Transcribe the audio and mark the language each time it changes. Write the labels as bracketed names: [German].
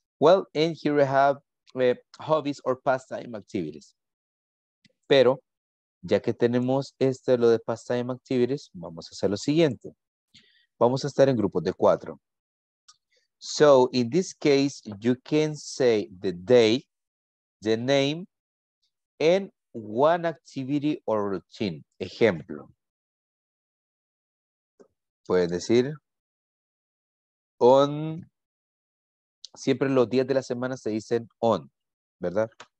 [English] Well, and here we have hobbies or pastime activities. [Spanish] Pero, ya que tenemos este, lo de pastime activities, vamos a hacer lo siguiente. Vamos a estar en grupos de cuatro. [English] So, in this case, you can say the day, the name, and one activity or routine. [Spanish] Ejemplo. Pueden decir, on, siempre los días de la semana se dicen on, ¿verdad?